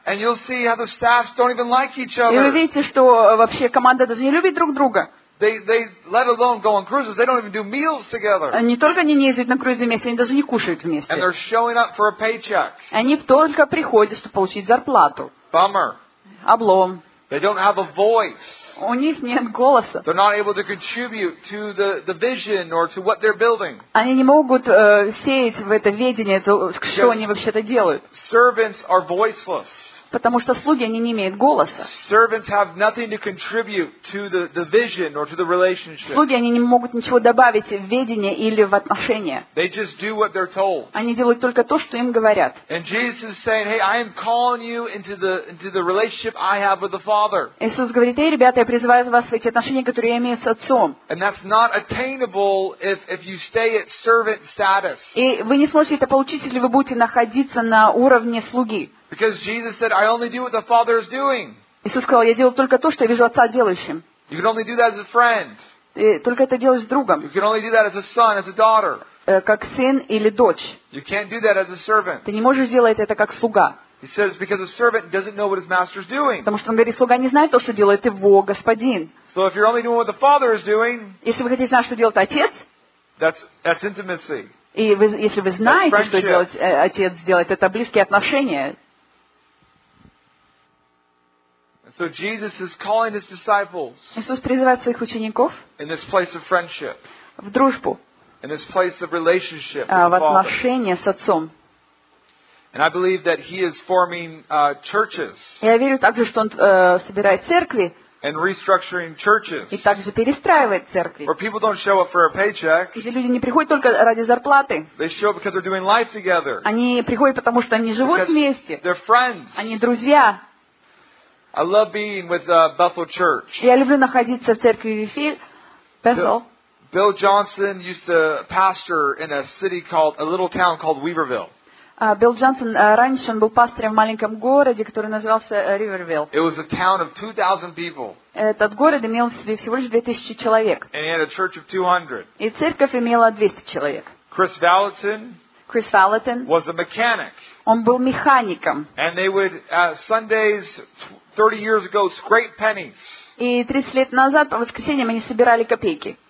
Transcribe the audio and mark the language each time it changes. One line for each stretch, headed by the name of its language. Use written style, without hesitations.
English: And you'll see how the staffs don't even like each other.
Russian: И вы видите, что вообще команда даже не любит друг друга.
English: They let alone go on cruises. They don't even do meals together.
Russian: Они только не ездят на круизы вместе, они даже не кушают вместе.
English: And they're showing up for a paycheck.
Russian: Они только приходят, чтобы получить зарплату.
English: Bummer.
Russian: Облом.
English: They don't have a voice.
Russian: У них нет голоса.
English: They're not able to contribute to the vision or to what they're building.
Russian: Они не могут сеять в это видение, что они вообще-то делают.
English: Servants are voiceless.
Russian: Потому что слуги, они не имеют голоса.
English: Servants have nothing to contribute to the vision or to the relationship.
Russian: Слуги, они не могут ничего добавить в видение или в отношения.
English: They just do what they're told.
Russian: Они делают только то, что им говорят.
English: And Jesus is saying, hey, I am calling you into the relationship I have with the Father.
Russian: Иисус говорит, эй, ребята, я призываю вас в эти отношения, которые я имею с Отцом.
English: And that's not attainable if you stay at servant status.
Russian: И вы не сможете это получить, если вы будете находиться на уровне слуги.
English: Because Jesus said, "I only do what the Father is doing."
Russian: Иисус сказал, я делаю только то, что я вижу Отца делающим.
English: You can only do that as a friend.
Russian: Ты только это делаешь с другом.
English: You can only do that as a son, as a daughter.
Russian: Как сын или дочь.
English: You can't do that as a servant.
Russian: Ты не можешь делать это как слуга.
English: He says, because a servant doesn't know what his master is doing.
Russian: Потому что он говорит, слуга не знает то, что делает его господин.
English: So if you're only doing what the Father is doing,
Russian: если вы хотите знать, что делает Отец,
English: that's intimacy.
Russian: И вы, если вы знаете, что делает Отец, делает это близкие отношения.
English: So Jesus is calling his disciples.
Russian: Иисус призывает своих учеников.
English: In this place of friendship.
Russian: В дружбу.
English: In this place of relationship.
Russian: В отношения с Отцом.
English: And I believe that he is forming churches.
Russian: Я верю также, что он собирает церкви.
English: And restructuring churches.
Russian: И также перестраивает церкви.
English: Where people don't show up for a paycheck.
Russian: Где люди не приходят только ради зарплаты.
English: They show up because they're doing life together.
Russian: Они приходят потому, что они живут вместе.
English: They're friends.
Russian: Они друзья.
English: I love being with Bethel Church.
Russian: Я люблю находиться в церкви Bethel.
English: Bill Johnson used to pastor in a city called a little town called Weaverville.
Russian: Bill Johnson раньше он был пастором в маленьком городе, который назывался Riverville.
English: It was a town of 2,000 people.
Russian: Этот город имел в себе всего лишь 2000 человек.
English: And he had a church of 200.
Russian: И церковь имела 200 человек.
English: Chris Vallotton.
Russian: Chris Vallotton
English: was a mechanic.
Russian: Он был механиком.
English: And they would Sundays 30 years ago scrape pennies.
Russian: И 30 лет назад по воскресеньям они собирали копейки.